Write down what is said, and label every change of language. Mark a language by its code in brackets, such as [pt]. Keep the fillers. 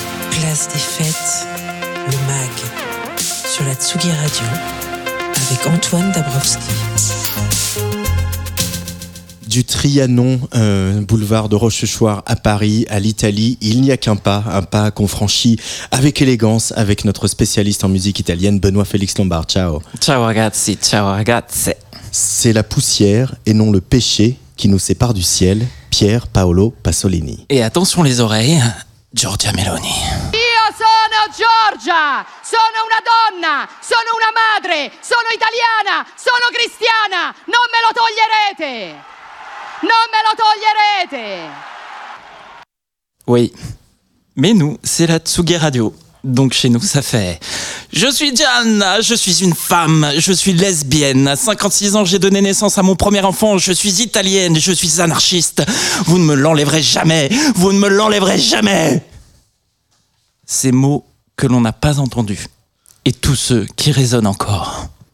[fr] Place des fêtes, le MAG. Sur la Tsugi Radio. Avec Antoine Dabrowski. Du Trianon, euh, boulevard de Rochechouart à Paris, à l'Italie, il n'y a qu'un pas, un pas qu'on franchit avec élégance avec notre spécialiste en musique italienne, Benoît Félix Lombard. [it] Ciao. Ciao ragazzi, ciao ragazze. [fr] C'est la poussière et non le péché qui nous sépare du ciel. Pierre Paolo Pasolini. Et attention les oreilles, Giorgia Meloni. [it] Io sono Giorgia, sono una donna, sono una madre, sono italiana, sono cristiana, non me lo toglierete! Non me lo toglierete! [fr] Oui. Mais nous, c'est la Tsugi Radio. Donc chez nous, ça fait Je suis Gianna, je suis une femme, je suis lesbienne. À 56 ans, j'ai donné naissance à mon premier enfant, je suis italienne, je suis anarchiste. Vous ne me l'enlèverez jamais, vous ne me l'enlèverez jamais Ces mots que l'on n'a pas entendus et tous ceux qui résonnent encore.